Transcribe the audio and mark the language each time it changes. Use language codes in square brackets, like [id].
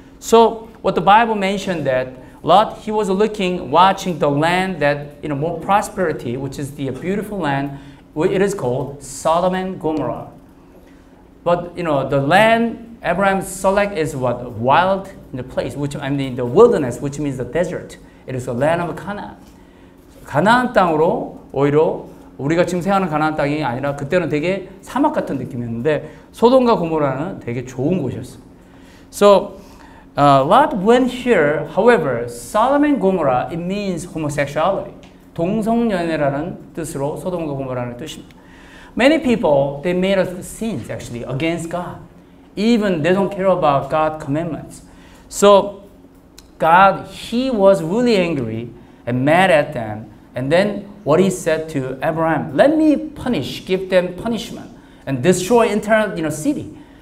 [en] So what the Bible mentioned that Lot, he was looking, watching the land that, you know, more prosperity, which is the beautiful land, it is called Sodom and Gomorrah. But, you know, the land Abraham select is what? Wild in the place, which I mean the wilderness, which means the desert. It is the land of Canaan. [ko] 가나안 땅으로 오히려 우리가 지금 생각하는 가나안 땅이 아니라 그때는 되게 사막 같은 느낌이었는데 소돔과 고모라는 되게 좋은 곳이었어요. [en] So Lot went here. However, Sodom and Gomorrah it means homosexuality. [ko] 동성연애라는 뜻으로 소돔과 고모라는 뜻입니다. [en] Many people they made us sins actually against God. Even they don't care about God's commandments. So God he was really angry and mad at them. And then what he said to Abraham, let me punish, give them punishment and destroy entire, you know, city.